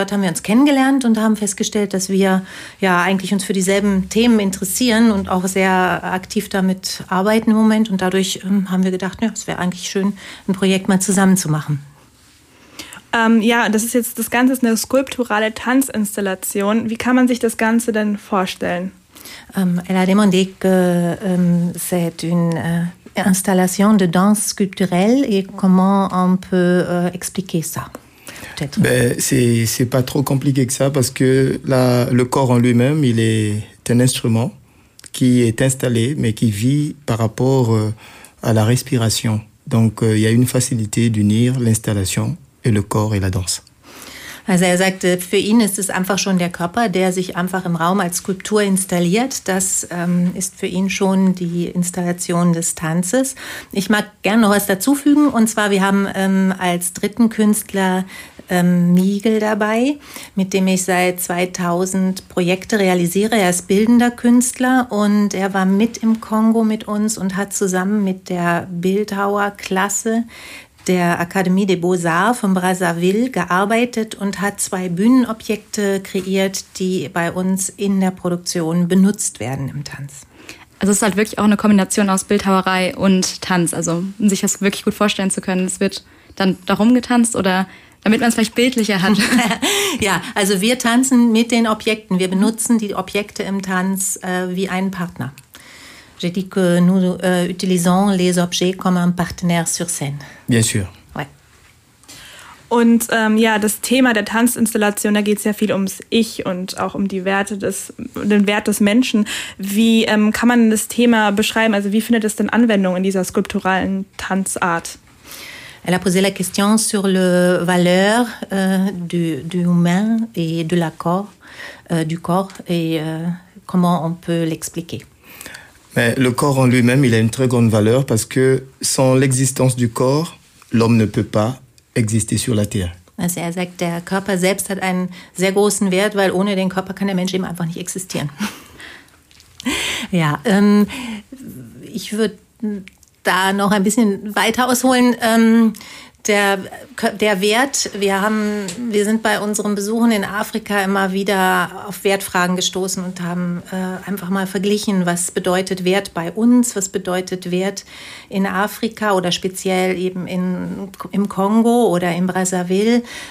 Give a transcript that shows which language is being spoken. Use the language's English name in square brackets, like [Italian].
[German] Dort haben wir uns kennengelernt und haben festgestellt, dass wir ja eigentlich uns für dieselben Themen interessieren und auch sehr aktiv damit arbeiten im Moment. Und dadurch haben wir gedacht, ja, es wäre eigentlich schön, ein Projekt mal zusammen zu machen. Ja, das Ganze ist eine skulpturale Tanzinstallation. Wie kann man sich das Ganze denn vorstellen? [French] Elle a demandé que c'est une installation de danse sculpturelle et comment on peut expliquer ça? Ben, c'est pas trop compliqué que ça parce que le corps en lui-même, il est un instrument qui est installé mais qui vit par rapport à la respiration. Donc il y a une facilité d'unir l'installation. Le corps et la danse. [German] Also er sagte, für ihn ist es einfach schon der Körper, der sich einfach im Raum als Skulptur installiert. Das ist für ihn schon die Installation des Tanzes. Ich mag gerne noch was dazufügen. Und zwar, wir haben als dritten Künstler Miegel dabei, mit dem ich seit 2000 Projekte realisiere. Er ist bildender Künstler und er war mit im Kongo mit uns und hat zusammen mit der Bildhauerklasse der Akademie des Beaux-Arts von Brazzaville gearbeitet und hat zwei Bühnenobjekte kreiert, die bei uns in der Produktion benutzt werden im Tanz. Also es ist halt wirklich auch eine Kombination aus Bildhauerei und Tanz. Also um sich das wirklich gut vorstellen zu können, es wird dann darum getanzt oder damit man es vielleicht bildlicher hat. Ja, also wir tanzen mit den Objekten. Wir benutzen die Objekte im Tanz wie einen Partner. [French] J'ai dit que nous utilisons les objets comme un partenaire sur scène. Bien sûr. Ouais. [German] Und ja, das Thema der Tanzinstallation, da geht es ja viel ums Ich und auch um die Werte den Wert des Menschen. Wie kann man das Thema beschreiben? Also wie findet es denn Anwendung in dieser skulpturalen Tanzart? [French] Elle a posé la question sur le valeur du humain et de la corps, du corps et comment on peut l'expliquer. Mais le corps en lui-même, il a une très grande valeur parce que sans l'existence du corps, l'homme ne peut pas exister sur la terre. [German] Also er sagt, der Körper selbst hat einen sehr großen Wert, weil ohne den Körper kann der Mensch eben einfach nicht existieren. Ja, ich würde da noch ein bisschen weiter ausholen. Der Wert, wir sind bei unseren Besuchen in Afrika immer wieder auf Wertfragen gestoßen und haben einfach mal verglichen, was bedeutet Wert bei uns, was bedeutet Wert in Afrika oder speziell eben im Kongo oder in Brazzaville.